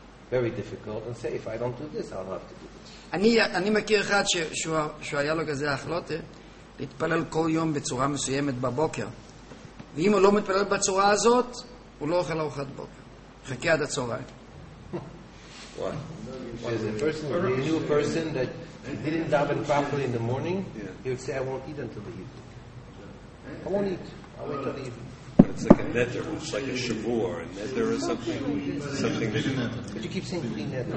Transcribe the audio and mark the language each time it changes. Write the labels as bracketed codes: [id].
[en] Very difficult and say if I don't do this I'll have to do this. [he] אני מכיר אחד שהוא היה לו כזה החלוטה להתפלל כל יום בצורה מסוימת בבוקר, ואם הוא לא מתפלל בצורה הזאת הוא לא אוכל ארוחת בוקר, חכה עד הצהריים. [en] There's a person, a new person that he didn't daven properly in the morning, he would say I won't eat until the evening. I'll wait until the evening. It's like a nether, it's like a shavur, and then there is something that you... But you keep saying clean nether.